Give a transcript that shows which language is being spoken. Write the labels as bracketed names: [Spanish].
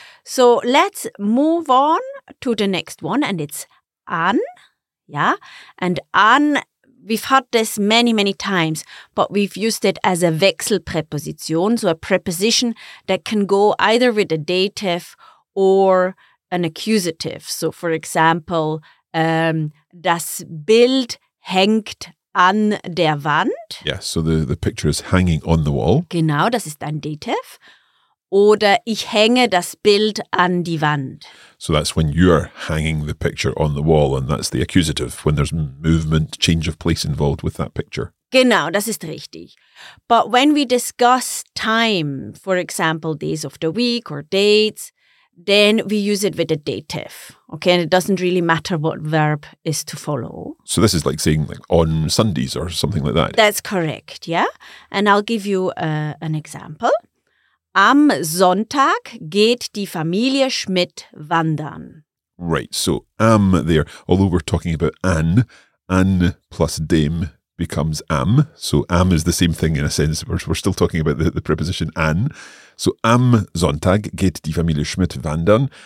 [English] So, let's move on to the next one. And it's an. Yeah. And an, we've heard this many, many times, but we've used it as a Wechselpräposition, so a preposition that can go either with a dative or an accusative. So, for example, [German] das Bild hängt an der Wand. [English] Yeah, so the picture is hanging on the wall. [German] Genau, das ist ein Dativ. Oder ich hänge das Bild an die Wand. [English] So that's when you're hanging the picture on the wall, and that's the accusative, when there's movement, change of place involved with that picture. [German] Genau, das ist richtig. [English] But when we discuss time, for example, days of the week or dates, then we use it with a dative, okay? And it doesn't really matter what verb is to follow. So this is like saying like on Sundays or something like that. That's correct, yeah? And I'll give you an example. [German] Am Sonntag geht die Familie Schmidt wandern. [English] Right, so am there, although we're talking about an plus dem becomes am. So am is the same thing in a sense. We're still talking about the preposition an. [German] So am Sonntag geht die Familie Schmidt wandern.